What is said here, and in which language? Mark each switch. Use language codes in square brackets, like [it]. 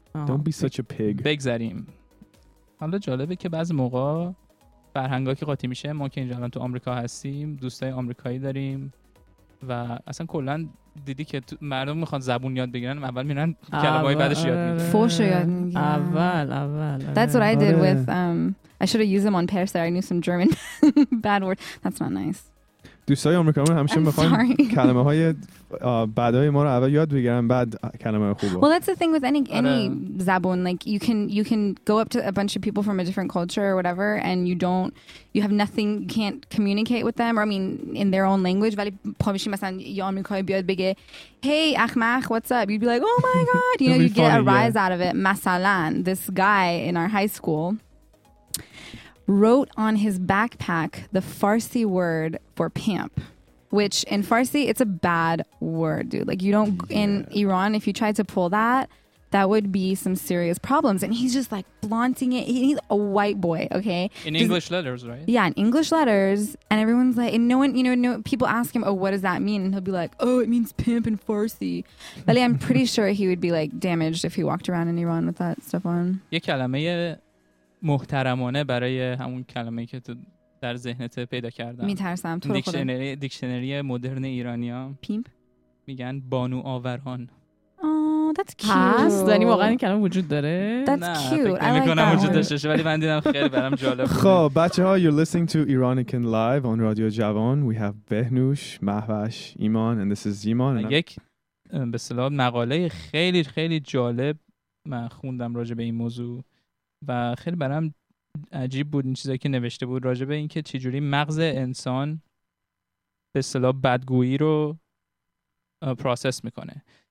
[en] Don't be such a pig. [fa] بگذاریم. حالا جالبه که بعض موقع فرهنگا که قاطی میشه، ما که اینجا الان تو آمریکا هستیم، دوستای آمریکایی داریم و اصلا کلا دیدی که تو مردم میخوان زبون یاد بگیرن، اول میرن کلمه‌های بعدش یاد میگیرن. فوش یاد میگیرن. اول. [en] That's what I did with I should have used them on Pear Sir. I knew some German bad word. That's not nice. [fa] دوستای آمریکایی همیشه میخوان کلمه‌های بعدای ما رو اول یاد بگیرن بعد کلمه خوب. [en] Well, that's the thing with any زبون. Like you can go up to a bunch of people from a different culture or whatever and you have nothing, you can't communicate with them or I mean in their own language. [fa] ولی پاشی مثلا یه آمریکایی بیاد بگه [en] hey اخمخ what's up, you'd be like oh my god, you know, you get a rise out of it. مثلا this guy in our high school wrote on his backpack the Farsi word for pimp, which in Farsi it's a bad word, dude. Like you don't in Iran if you try to pull that that would be some serious problems. And he's just like flaunting it. He's a white boy, okay? English letters, right? Yeah, in English letters. And everyone's like, and no one, you know, no people ask him, oh, what does that mean? And he'll be like, oh, it means pimp in Farsi. But I'm pretty sure he would be like damaged if he walked around in Iran with that stuff on. [fa] یه کلمه محترمانه برای همون کلمه که تو در ذهنت پیدا کردم. میترسم تو دیکشنری مدرن ایرانی ها. پیمپ. میگن بانو آوران. [en] That's cute. [fa] یعنی واقعا این کلمه وجود داره؟ [en] That's cute. I like that. [fa] وجود داشته ولی من دیدم خیلی برام جالب. [en] خب بچه‌ها you're listening to Iranican live on Radio Javan. We have Behnoosh, Mahvash, Iman and this is Iman. [fa] یک به اصطلاح مقاله خیلی خیلی جالب من خوندم راجع به این موضوع و خیلی برام عجیب بود این چیزایی که نوشته بود راجع به اینکه چجوری مغز انسان به اصطلاح بدگویی رو پروسس میکنه.